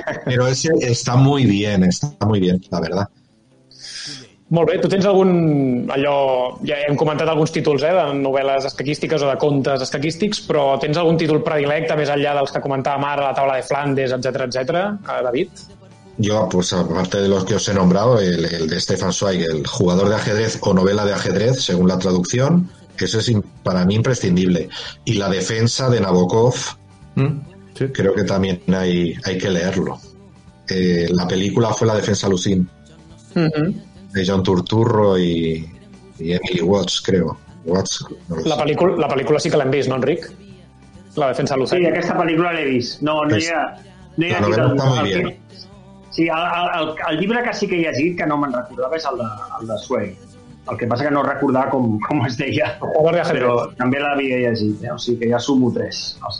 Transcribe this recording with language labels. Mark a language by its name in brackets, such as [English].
[Spanish] Pero ese está muy bien, la verdad. [Catalan] Molt bé, tu tens algun, allò, ja hem comentat alguns títols, de novel·les escaquístiques o de contes escaquístics, però tens algun títol predilecte més enllà dels que comentàvem ara, La taula de Flandes, etcètera, etcètera, David? [Spanish] Yo, pues aparte de los que os he nombrado, el de Stefan Zweig, El jugador de ajedrez o novela de ajedrez, según la traducción, eso es para mí imprescindible. Y La defensa de Nabokov, creo que también hay que leerlo. La película fue La defensa Lucín, de John Turturro y Emily Watts, creo. Watts, no lo sé. [Catalan] La película sí que l'hem vist, no, Enric? [Spanish] La defensa Lucín. [Catalan] Sí, aquesta película l'he vist. No, no hi ha... [Spanish] La novela está muy bien. [Catalan] Sí, el llibre que sí que he llegit, que no me'n recordava, és el de Zweig. El que passa que no recordava com es deia. Però també l'havia llegit, o sigui que ja sumo 3.